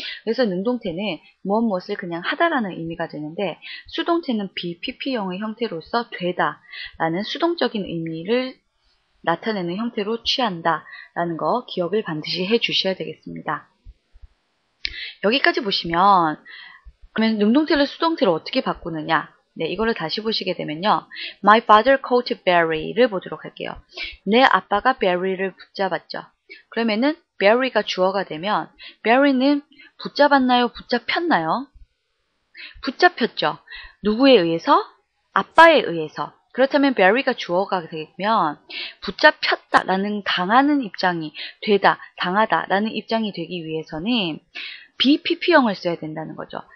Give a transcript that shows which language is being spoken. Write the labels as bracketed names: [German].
[Korean] 그래서 능동태는 무엇무엇을 그냥 하다라는 의미가 되는데 수동태는 BPP형의 형태로서 되다라는 수동적인 의미를 나타내는 형태로 취한다라는 거 기억을 반드시 해주셔야 되겠습니다. 여기까지 보시면 그러면 능동태를 수동태로 어떻게 바꾸느냐. 네, 이거를 다시 보시게 되면요. [English] My father caught Barry를 보도록 할게요. [Korean] 내 아빠가 Barry를 붙잡았죠. 그러면은 Barry가 주어가 되면 Barry는 붙잡았나요? 붙잡혔나요? 붙잡혔죠. 누구에 의해서? 아빠에 의해서. 그렇다면 Barry가 주어가 되면 붙잡혔다 라는 당하는 입장이 되다, 당하다 라는 입장이 되기 위해서는 BPP형을 써야 된다는 거죠.